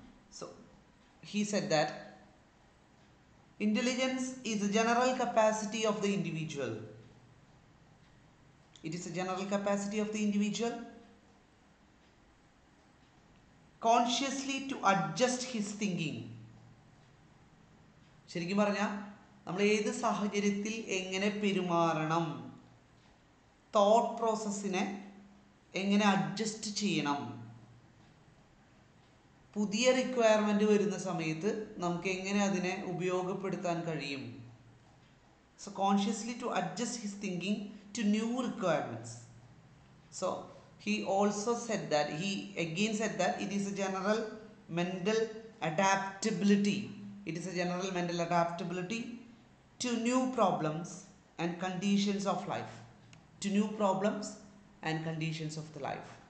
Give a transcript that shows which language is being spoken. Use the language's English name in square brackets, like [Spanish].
[English] So he said that intelligence is a general capacity of the individual. It is a general capacity of the individual consciously to adjust his thinking. [Malayalam] ശരിക്കും പറഞ്ഞാൽ നമ്മൾ ഏത് സാഹചര്യത്തിൽ എങ്ങനെ പെരുമാറണം, thought പ്രോസസ്സിനെ എങ്ങനെ adjust ചെയ്യണം, പുതിയ റിക്വയർമെൻ്റ് വരുന്ന സമയത്ത് നമുക്ക് എങ്ങനെ അതിനെ ഉപയോഗപ്പെടുത്താൻ കഴിയും. [English] So consciously to adjust his thinking to new requirements. So he also said that he again said that it is a general mental adaptability. It is a general mental adaptability to new problems and conditions of life. To new problems and conditions of the life.